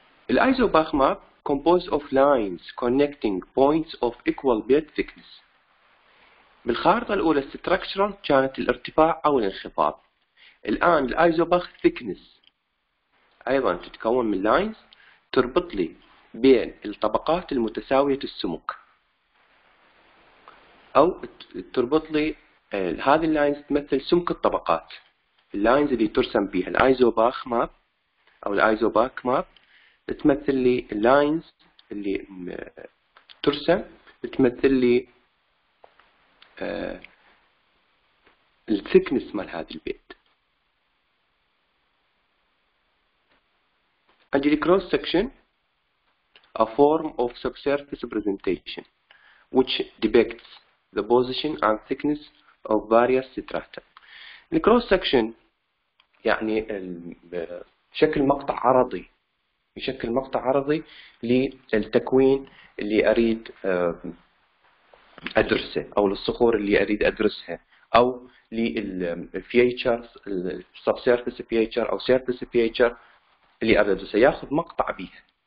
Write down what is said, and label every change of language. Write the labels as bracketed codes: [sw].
[en] الايزوباخ map composed of lines connecting points of equal bed thickness. [ar] بالخارطة الأولى structural كانت الارتفاع أو الانخفاض. الآن الايزوباخ thickness أيضا تتكون من lines تربط لي بين الطبقات المتساوية السمك، أو تربط لي هذه اللاينز تمثل سمك الطبقات. اللاينز اللي ترسم بها الايزوباخ ماب او الايزوباك ماب تمثل لي اللاينز اللي ترسم تمثل لي الثيكنس مال هذا البيت. عندي الكروس سكشن [en] a form of subsurface presentation which depicts the position and thickness of various strata. [ar] الكروس سكشن يعني شكل مقطع عرضي، يشكل مقطع عرضي للتكوين اللي اريد ادرسه، او للصخور اللي اريد ادرسها، او للفيتشرز السبسيرفس فيتشر او سيرفس فيتشر اللي اريد ادرسها، ياخذ مقطع بها.